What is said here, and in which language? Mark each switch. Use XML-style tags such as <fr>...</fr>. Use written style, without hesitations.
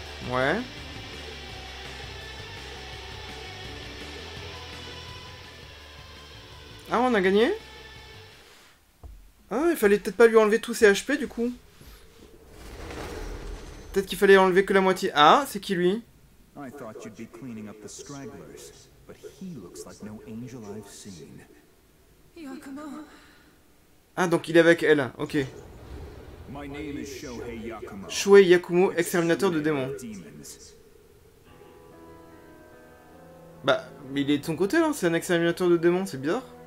<fr>Ouais. Ah on a gagné. Ah il fallait peut-être pas lui enlever tous ses HP du coup. Peut-être qu'il fallait enlever que la moitié. Ah, c'est qui lui?</fr> <en>I thought you'd be cleaning up the stragglers, but he looks like no angel I've seen. Yakumo.</en> <fr>Ah, donc il est avec elle, ok.</fr> <en>My name is Shohei Yakumo.</en> <fr>Shohei Yakumo, exterminateur de démons. Bah, mais il est de son côté là, c'est un exterminateur de démons, c'est bizarre.</fr>